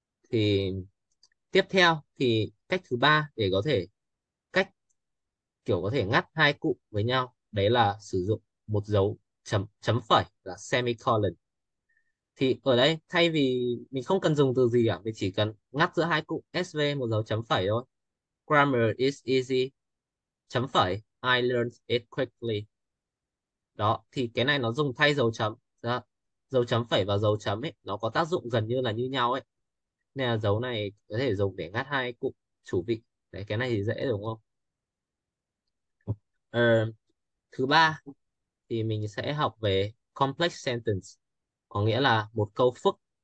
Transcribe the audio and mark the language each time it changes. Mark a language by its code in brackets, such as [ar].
[vi] Thì tiếp theo thì cách thứ ba để có thể kiểu có thể ngắt hai cụm với nhau, đấy là sử dụng một dấu chấm chấm phẩy là semicolon. Thì ở đây thay vì mình không cần dùng từ gì cả, mình chỉ cần ngắt giữa hai cụm SV một dấu chấm phẩy thôi. [en] Grammar is easy. [vi] Chấm phẩy, [en] I learned it quickly. [vi] Đó, thì cái này nó dùng thay dấu chấm. Đó. Dấu chấm phẩy và dấu chấm ấy nó có tác dụng gần như là như nhau ấy. Nên là dấu này có thể dùng để ngắt hai cụm chủ vị. Đấy, cái này thì dễ đúng không? Thứ ba thì mình sẽ học về complex sentence, có nghĩa là một câu phức.